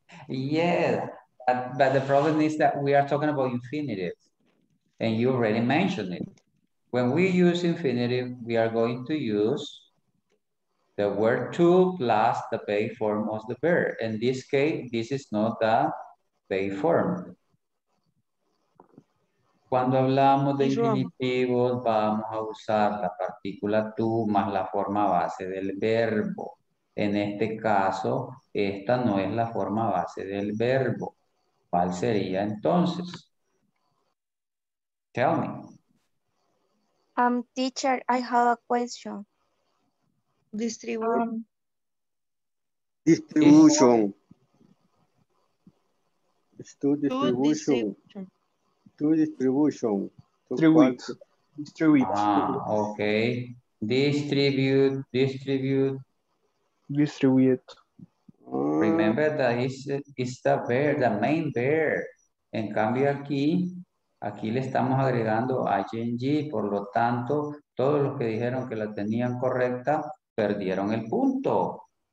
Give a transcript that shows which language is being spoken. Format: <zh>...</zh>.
<en>Yeah, but the problem is that we are talking about infinitive, and you already mentioned it. When we use infinitive, we are going to use the word to plus the pay form of the verb. In this case, this is not the pay form.</en> <es>Cuando hablamos de infinitivos, vamos a usar la partícula to más la forma base del verbo. En este caso, esta no es la forma base del verbo. ¿Cuál sería entonces?</es> <en>Tell me. Teacher, I have a question. Distribution. Distribution. It's to distribution. To distribution. Distribute. Ah, okay. Distribute. Distribute. Remember that it's the verb, the main verb.</en> <es>En cambio aquí le estamos agregando ing, por lo tanto, todos los que dijeron que la tenían correcta, perdieron el punto.</es>